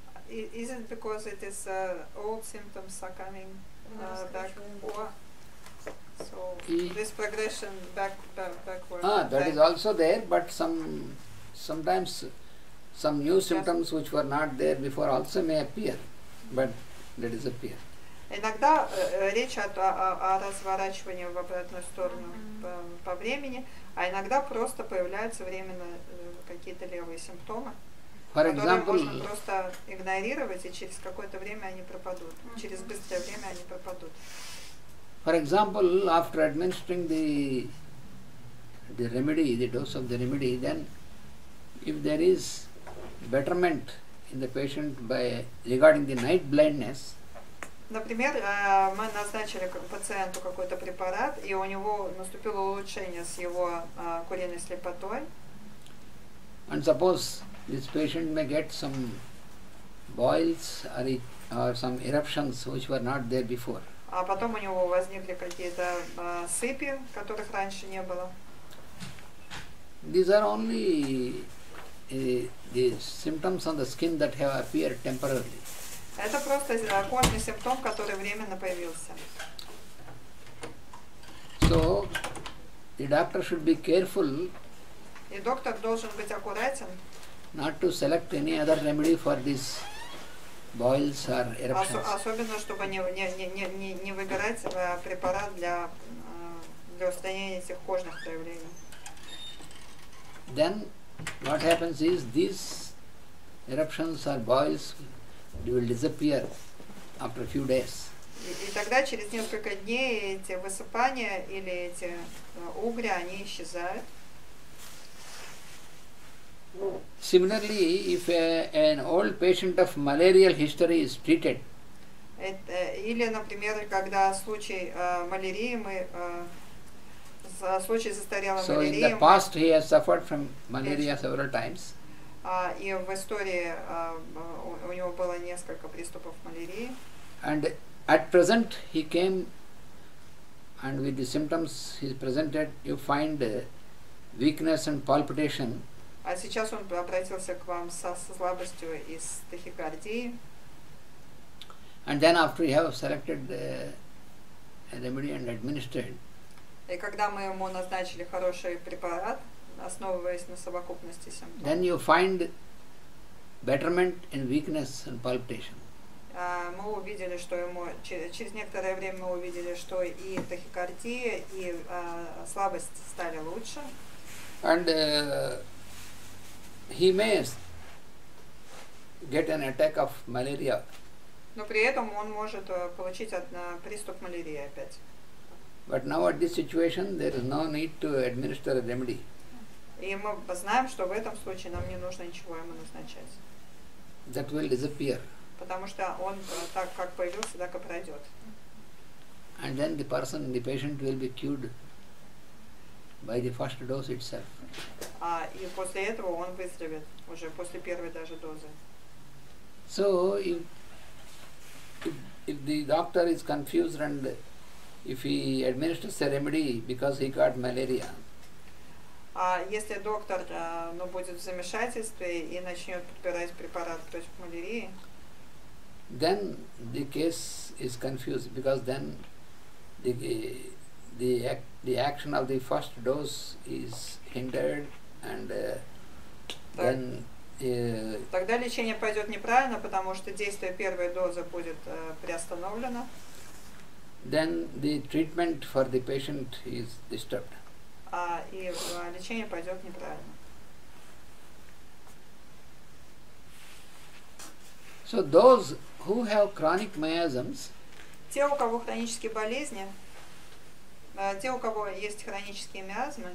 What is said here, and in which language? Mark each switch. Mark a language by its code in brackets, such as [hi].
[en] Isn't because it is old symptoms are coming back, or so this progression backward. That is also there, but sometimes some new symptoms which were not there before also may appear, but they disappear. [ru] Иногда речь о разворачивании в обратную сторону по времени, а иногда просто появляются временно какие-то левые симптомы, которые можно просто игнорировать, и через какое-то время они пропадут. Через быстрое время они пропадут. [en] For example, after administering the remedy, the dose of the remedy, then if there is betterment in the patient by regarding the night blindness. [ru] Например, мы назначили пациенту какой-то препарат, и у него наступило улучшение с его куриной слепотой. [en] And suppose this patient may get some boils or some eruptions which were not there before. [ru] А потом у него возникли какие-то сыпи, которых раньше не было. [en] These are only the symptoms on the skin that have appeared temporarily. [ru] Это просто кожный симптом, который временно появился. [en] So the doctor should be careful. [ru] И доктор должен быть аккуратен. [en] Not to select any other remedy for this. Boils or eruptions. [ru] Особенно, чтобы не выбирать препарат для устранения этих кожных проявлений. [en] Then, what happens is these eruptions or boils will disappear after a few days. [ru] И тогда через несколько дней эти высыпания или эти угря, они исчезают. [en] Similarly, if an old patient of malarial history is treated, [ru] или, например, когда случай малярии мы случай застарелой so малярии. [en] So in the past he has suffered from malaria several times. [ru] И в истории у него было несколько приступов малярии. [en] And at present he came, and with the symptoms he presented, you find weakness and palpitation. [ru] А сейчас он обратился к вам со слабостью и с тахикардией. [en] And then after you have selected the remedy and administered. [ru] И когда мы ему назначили хороший препарат, основываясь на совокупности симптомов. [en] Then you find betterment in weakness and palpitation. [ru] Мы увидели, что ему через некоторое время мы увидели, что и тахикардия, и слабость стали лучше. [en] And he may get an attack of malaria. [ru] Но при этом он может получить приступ малярии опять. [en] But now at this situation there is no need to administer a remedy. [ru] И мы знаем, что в этом случае нам не нужно ничего ему назначать. [en] That will disappear. [ru] Потому что он так как появился, так и пройдет. [en] And then the person, the patient will be cured by the first dose itself. [ru] И после этого он выздоровеет уже после первой даже дозы. [en] So if the doctor is confused and if he administers a remedy because he got malaria. [ru] Если доктор будет в замешательстве и начнет подбирать препарат против малярии. [en] Then the case is confused because then the action of the first dose is hindered and then [ru] тогда лечение пойдет неправильно, потому что действие первой дозы будет приостановлено. [en] Then the treatment for the patient is disturbed. [ru] И лечение пойдет неправильно. [en] So those who have chronic miasms, [ru] те, у кого хронические болезни, те, у кого есть хронические миазмы,